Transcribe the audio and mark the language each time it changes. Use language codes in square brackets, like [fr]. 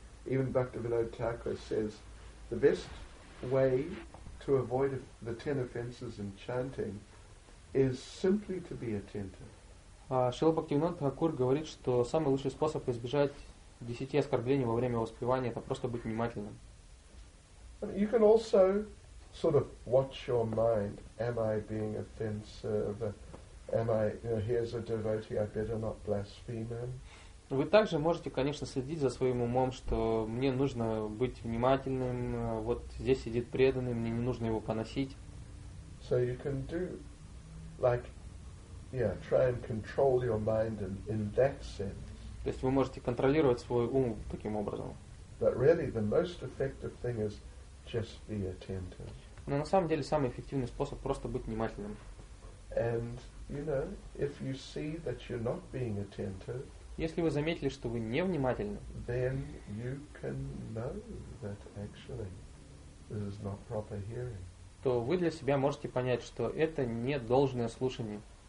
[en] Even Bhaktivinoda Thakur says the best way to avoid the 10 offenses in chanting is simply to be attentive. [ru] Шрила Бхактивинода Тхакур говорит, что самый лучший способ избежать 10 оскорблений во время воспевания — это просто быть внимательным. [en] You can also sort of watch your mind. Am I being offensive? Am I, you know, here's a devotee, I better not blaspheme him. [ru] Вы также можете, конечно, следить за своим умом, что мне нужно быть внимательным, вот здесь сидит преданный, мне не нужно его поносить. [en] So you can do, like, yeah, try and control your mind in that sense. [ru] То есть вы можете контролировать свой ум таким образом. [en] But really the most effective thing is just be attentive. [ru] Но на самом деле самый эффективный способ — просто быть внимательным. [en] And you know, if you see that you're not being attentive, [ru] если вы заметили, что вы невнимательны, [en] then you can know that actually this is not proper hearing. [ru] то вы для себя можете понять, что это не должное слушание.